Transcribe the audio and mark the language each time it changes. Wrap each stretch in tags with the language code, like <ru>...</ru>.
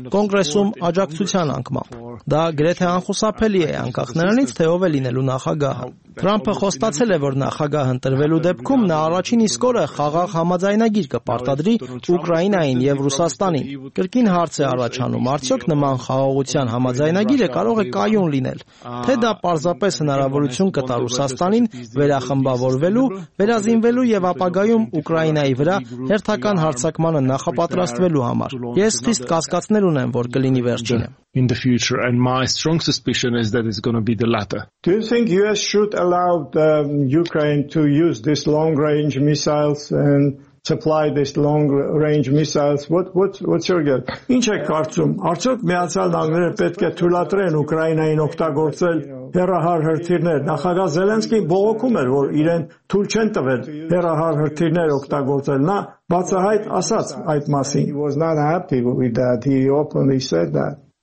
<hy>կոնգրեսում աջակցության անկմամբ։ Դա գրեթե անխուսափելի է անկախ նրանից, թե ով է լինելու նախագահը։ Տրամփը խոստացել է, որ նախագահ ընտրվելու դեպքում նա առաջին իսկ օրը խաղաղ համաձայնագիր կպարտադրի Ուկրաինային և Ռուսաստանին։ Կրկին հարց է առաջանում, արդյոք նման խաղաղության համաձայնագիրը կարող է կայուն լինել, թե դա պարզապես հնարավորություն կտա Ռուսաստանին վերախմբավորվելու, վերազինվելու և ապագայում Ուկրաինայի վրա հերթական հարձակմանը նախապատրաստվելու համար։ Ես խիստ կասկածներ ունեմ, որ կլինի վերջինը։</hy> <en>In the future, and my strong suspicion is that it's going to be the latter. Do you think U.S. should allow the Ukraine to use these long-range missiles and supply these long-range missiles? What's your guess?</en> <hy>Ինչ եք կարծում, արդյոք միացյալ նահանգները պետք է թույլատրեն Ուկրաինային օգտագործել հեռահար հրթիռներ։ Նախագահ Զելենսկին բողոքում էր, որ իրեն թույլ չեն տվել հեռահար հրթիռներ օգտագործել։ Նա բացահայտ ասաց այդ մասին.</hy> <en>He was not happy with that. He openly said that.</en>